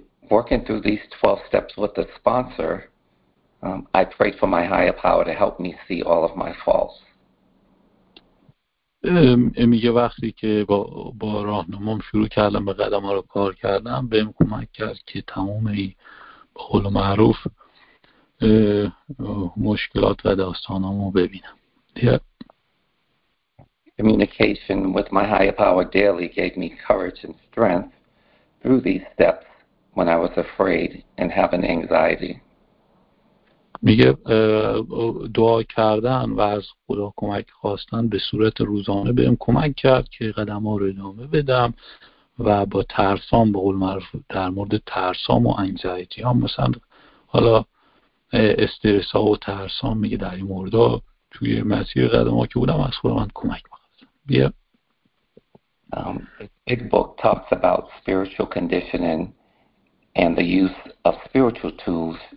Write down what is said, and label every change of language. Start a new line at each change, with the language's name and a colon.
English: Working through these 12 steps with the sponsor, I prayed for my higher power to help me see all of my faults.
Persian: میگه وقتی که با راهنمام شروع کردم به قدم ها رو کار کردم بهم کمک کرد که تمام این به قول معروف مشکلات و داستانامو ببینم.
English: Communication with my higher power daily gave me courage and strength through these steps when I was afraid and having anxiety.
Persian: میگه دعا کردن و از خدا کمک خواستن به صورت روزانه بهم کمک کرد که قدم ها رو ادامه بدم و با ترسام به قول معروف در مورد ترسام و انگزایتی هم مثلا حالا استرس ها و ترسام میگه در این مورد ها توی مسیر قدم ها که بودم از خدا من کمک بخواستم. بیا
English: Big book talks about spiritual conditioning and the use of spiritual tools